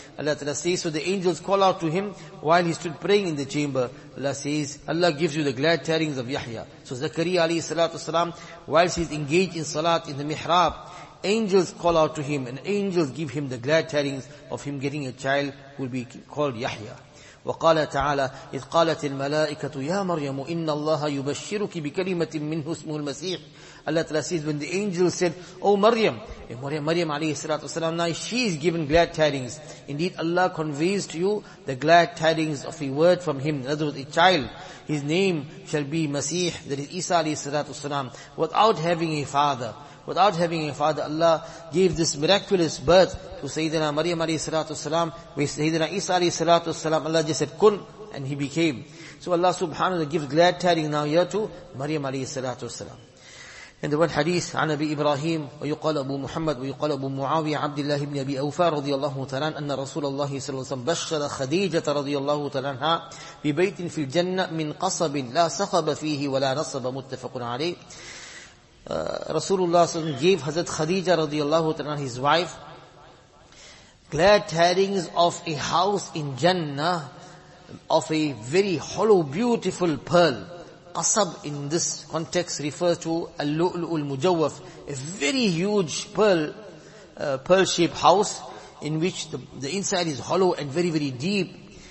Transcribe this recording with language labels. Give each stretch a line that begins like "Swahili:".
English: Allah Ta'ala says, so the angels call out to him while he stood praying in the chamber. Allah says, Allah gives you the glad tidings of Yahya. So Zakariya alayhi salatu salam, whilst he's engaged in salat in the mihrab, angels call out to him and angels give him the glad tidings of him getting a child who will be called Yahya.
Arabic: وقال تعالى إذ قالت الملائكة يا مريم إن الله يبشرك بكلمة منه اسمه المسيح.
English: Allah Ta'ala says when the angel said, O Maryam, Maryam alayhi salatu wasalam, now she is given glad tidings. Indeed Allah conveys to you the glad tidings of a word from him, in other words a child. His name shall be Masih, that is Isa alayhi salatu wasalam, without having a father. Without having a father, Allah gave this miraculous birth to Sayyidina Maryam alayhi salatu wasalam, with Sayyidina Isa alayhi salatu wasalam, Allah just said, Kun, and he became. So Allah subhanahu wa ta'ala gives glad tidings now here to Maryam alayhi salatu wasalam. And the one hadith,
Arabic: عن أبي إبراهيم ويقال أبو محمد ويقال أبو معاوية عبد الله بن أبي أوفى رضي الله تعالى أن رسول الله صلى الله عليه وسلم بشر خديجة رضي الله تعالى عنها ببيت في الجنة من قصب لا صخب فيه ولا نصب متفق عليه.
English: Rasulullah gave Hazrat Khadija radiyallahu ta'ala his wife glad tidings of a house in Jannah of a very hollow beautiful pearl. Qasab in this context refers to al-lu'lu'ul mujawwaf, a very huge pearl, pearl shaped house in which the inside is hollow and very very deep.